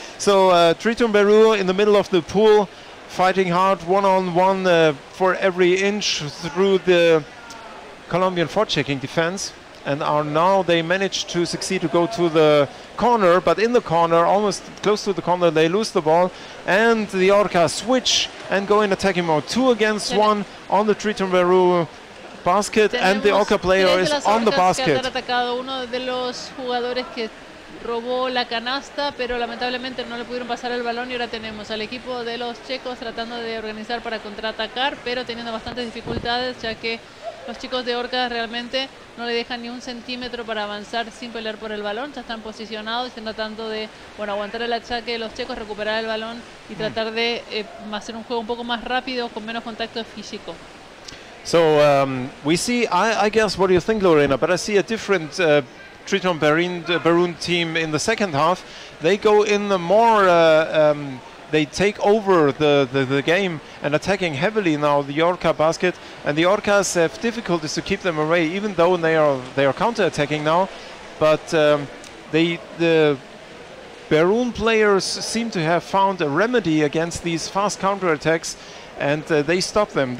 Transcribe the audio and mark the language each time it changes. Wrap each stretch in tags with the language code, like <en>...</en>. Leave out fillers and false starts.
<en>So Triton Beroun in the middle of the pool, fighting hard one-on-one for every inch through the Colombian forechecking defense, and are now they managed to succeed to go to the corner, but in the corner, almost close to the corner, they lose the ball, and the Orcas switch and go in attacking mode. Two against one on the Triton Beroun basket, and the Orca player is on the basket.</en> <es>Robó la canasta, pero lamentablemente no le pudieron pasar el balón y ahora tenemos al equipo de los checos tratando de organizar para contraatacar, pero teniendo bastantes dificultades, ya que los chicos de Orcas realmente no le dejan ni un centímetro para avanzar sin pelear por el balón, ya están posicionados y están tratando de bueno, aguantar el ataque de los checos, recuperar el balón y tratar de hacer un juego un poco más rápido con menos contacto físico.</es> <en>So we see, I guess what you think, Lorena, but I see a different Triton Beroun team in the second half. They go in the more, they take over the game and attacking heavily now the Orca basket, and the Orcas have difficulties to keep them away even though they are counter-attacking now, but the Beroun players seem to have found a remedy against these fast counter-attacks, and they stop them.</en>